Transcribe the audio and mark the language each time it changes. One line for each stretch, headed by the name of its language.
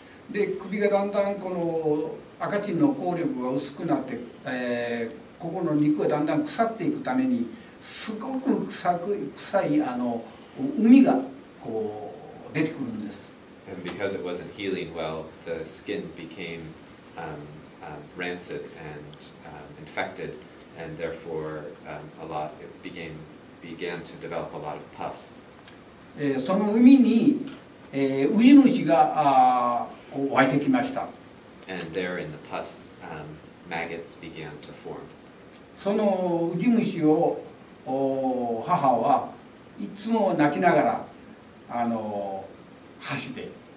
Japanese: で、首がだんだんこの赤チンの効力が薄くなって、ここの肉がだんだん腐っていくために、すごく臭いあの膿がこう出てくるんです。
English: And because it wasn't healing well, the skin became rancid and infected, and therefore it began to develop a lot of pus.
Japanese: その海に、ウジ虫が湧いてきました。
English: And there in the pus, maggots began to form.
Japanese: そのウジ虫を母はいつも泣きながら、あの箸で。